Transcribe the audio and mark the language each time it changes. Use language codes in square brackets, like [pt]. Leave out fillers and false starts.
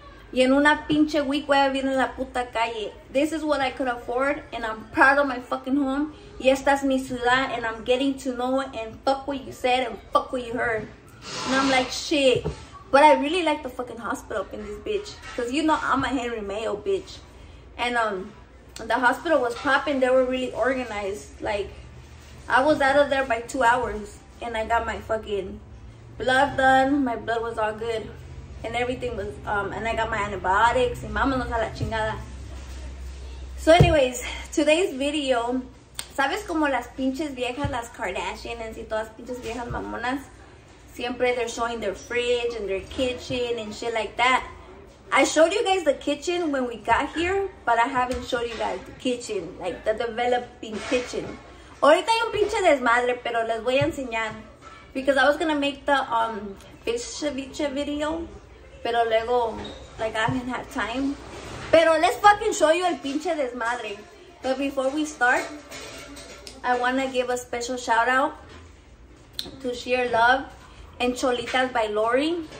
[es] Y en una pinche week voy a vivir en la puta calle. [en] This is what I could afford, and I'm proud of my fucking home. [es] Y esta es mi ciudad, [en] and I'm getting to know it, and fuck what you said, and fuck what you heard. And I'm like, shit. But I really like the fucking hospital in this bitch. Because you know I'm a Henry Mayo bitch. And the hospital was popping. They were really organized. Like, I was out of there by 2 hours. And I got my fucking blood done. My blood was all good. and everything was, and I got my antibiotics, [es] y vámonos a la chingada. [en] So anyways, today's video, [es] ¿sabes como las pinches viejas, las Kardashians y todas pinches viejas mamonas? [en] Siempre they're showing their fridge and their kitchen and shit like that. I showed you guys the kitchen when we got here, but I haven't showed you guys the kitchen, like the developing kitchen. [es] Ahorita hay un pinche desmadre, pero les voy a enseñar. [en] Because I was gonna make the fish ceviche video, [es] pero luego, [en] like, I haven't had time. Pero let's fucking show you [es] el pinche desmadre. [en] But before we start, I wanna give a special shout out to Sheer Love and Cholitas by Lori.